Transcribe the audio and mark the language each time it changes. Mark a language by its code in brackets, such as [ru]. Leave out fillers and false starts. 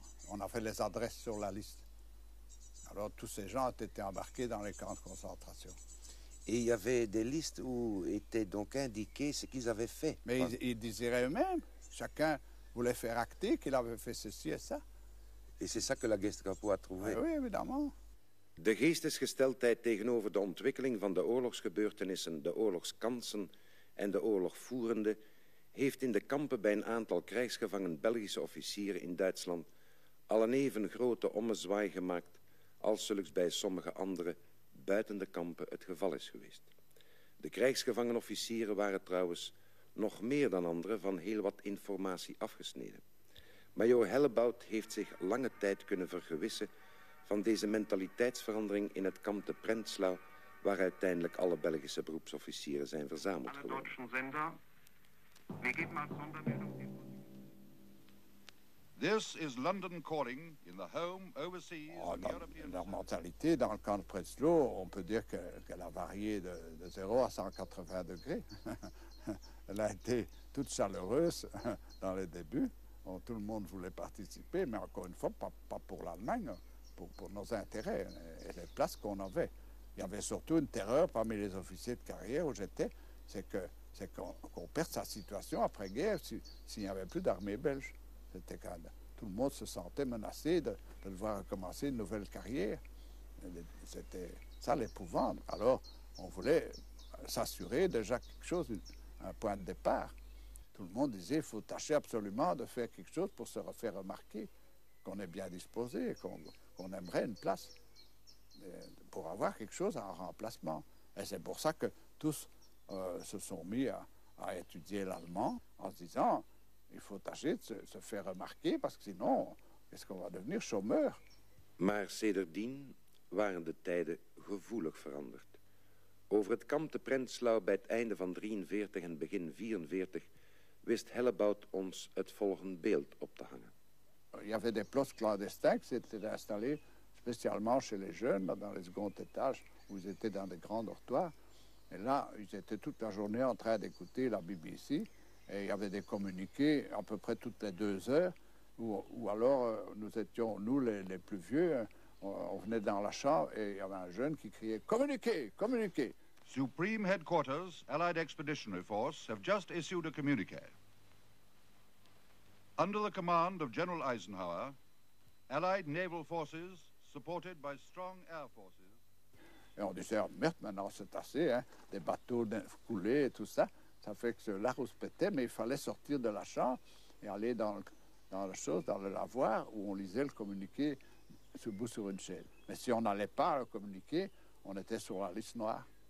[fr] On a fait les adresses sur la liste. Alors, tous ces gens ont été embarqués dans les camps de concentration. Et il y avait des listes où était donc indiqué ce qu'ils avaient fait. Mais ils disaient eux-mêmes, chacun voulait faire acter qu'il avait fait ceci et ça. Et c'est ça que la Gestapo a trouvé. Ah oui, évidemment. [nl] De geestesgesteldheid tegenover de ontwikkeling van de oorlogsgebeurtenissen, de oorlogskansen en de oorlogvoerende, heeft in de kampen bij een aantal krijgsgevangen Belgische officieren in Duitsland al een even grote ommezwaai gemaakt als zulks bij sommige anderen buiten de kampen het geval is geweest. De krijgsgevangen officieren waren trouwens nog meer dan anderen van heel wat informatie afgesneden. Major Hellebout heeft zich lange tijd kunnen vergewissen van deze mentaliteitsverandering in het kamp de Prenzlau, waar uiteindelijk alle Belgische beroepsofficieren zijn verzameld geworden. [en] This is London calling in the home overseas. Oh, [fr] dans, [en] the European [fr] leur mentalité dans le camp de Prenzlau, on peut dire qu'elle a varié de 0 à 180 degrés. Elle a été toute chaleureuse dans les débuts. Bon, tout le monde voulait participer, mais encore une fois, pas pour l'Allemagne, pour nos intérêts et les places qu'on avait. Il y avait surtout une terreur parmi les officiers de carrière où j'étais, c'est qu'on perde sa situation après-guerre s'il n'y avait plus d'armée belge. C'était quand tout le monde se sentait menacé de devoir recommencer une nouvelle carrière. C'était ça l'épouvante. Alors, on voulait s'assurer déjà quelque chose, un point de départ. Tout le monde disait, il faut tâcher absolument de faire quelque chose pour se refaire remarquer, qu'on est bien disposé, qu'on aimerait une place, pour avoir quelque chose en remplacement. Et c'est pour ça que tous se sont mis à étudier l'allemand en se disant, il faut tâcher de se faire remarquer, parce que sinon, est-ce qu'on va devenir chômeur? [nl] Maar sedertdien waren de tijden gevoelig veranderd. Over het kamp te Prenzlau bij het einde van 43 en begin 44 wist Hellebout ons het volgende beeld op te hangen. [fr] Il y avait des places clandestines qui étaient installées spécialement chez les jeunes, dans les secondes étages, où ils étaient dans des grands dortoirs. Et là, ils étaient toute la journée en train d'écouter la BBC. Et il y avait des communiqués à peu près toutes les deux heures, où alors nous étions, nous les plus vieux, on venait dans la chambre et il y avait un jeune qui criait « Communiqué, communiqué !» [en] Supreme Headquarters, Allied Expeditionary Force, have just issued a communiqué. Under the command of General Eisenhower, Allied naval forces supported by strong air forces. [fr] Et on disait, oh, merde, maintenant c'est assez, hein, des bateaux coulés et tout ça. Ça fait que la rousse pétait, mais il fallait sortir de la chambre et aller dans le lavoir où on lisait le communiqué debout sur une chaise. Mais si on n'allait pas le communiqué, on était sur la liste noire.